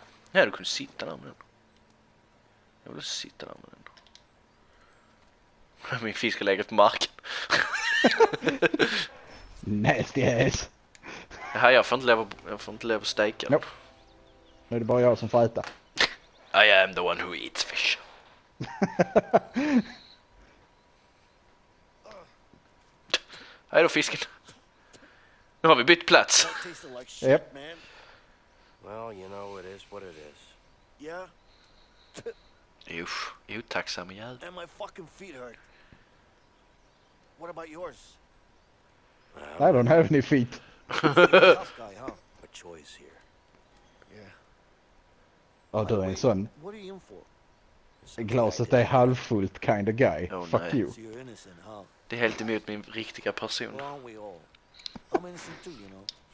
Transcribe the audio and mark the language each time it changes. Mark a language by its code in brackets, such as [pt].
[sv] Nej, du kunde sitta där med den. Jag vill sitta där med den. Min fisk har legat på marken. [en] Nasty ass. [sv] Ja, jag får inte leva steken. [en] Nope. [sv] Nu är det bara jag som får äta. [en] I am the one who eats fish. [sv] Hej då fisken. Nu har vi bytt plats. [en] Yep. Well, you know it is what it is. [sv] Yeah. Uff, otacksam jävel. [en] And my fucking feet hurt. What about yours? I don't have any feet. Tough guy, huh? A choice here. Yeah. Oh, [sv] du är en sån. [en] What are you in for? [sv] Glaset är halvfullt [en] kind of guy. Oh, fuck [sv] nej. [en] You. So you're innocent, huh? [sv] Det är helt emot min riktiga person. [en] Well, I'm innocent too, you know.